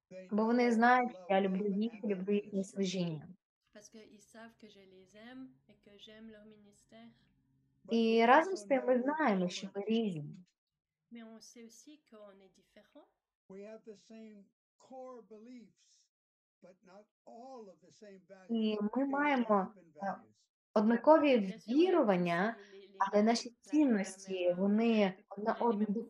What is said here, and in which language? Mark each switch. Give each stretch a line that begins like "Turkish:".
Ukrainian: Бо вони знають, що я люблю їх, люблю їхнє служіння.
French: Parce qu'ils savent que je les aime et que j'aime leur ministère.
Ukrainian: І разом з тим ми знаємо, що ми різні.
French: Mais on sait aussi qu'on est différent.
English: We have the same core beliefs, but not all of the same values.
Ukrainian: І ми маємо однакові вірування, але наші цінності, вони одна одну